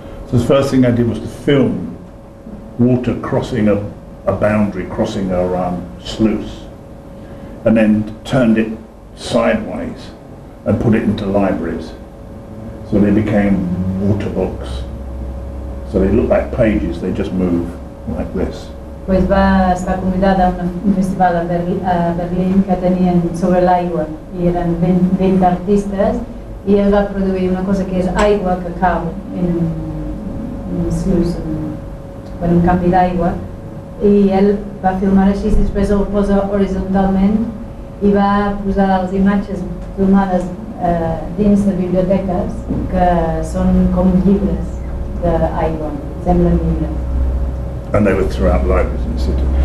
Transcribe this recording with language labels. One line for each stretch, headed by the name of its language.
English: So the first thing I did was to film water crossing a boundary, crossing a sluice, and then turned it sideways and put it into libraries. So they became water books. So they look like pages, they just move like this.
Catalan: Pues va estar convidada a un festival a Berlín que tenien sobre l'aigua i eren 20 artistes i ell va produir una cosa que és aigua que cau en un canvi d'aigua i ell va filmar així, després el posa horitzontalment i va posar les imatges filmades dins de biblioteques que són com llibres.
English: The and they were throughout libraries in the city.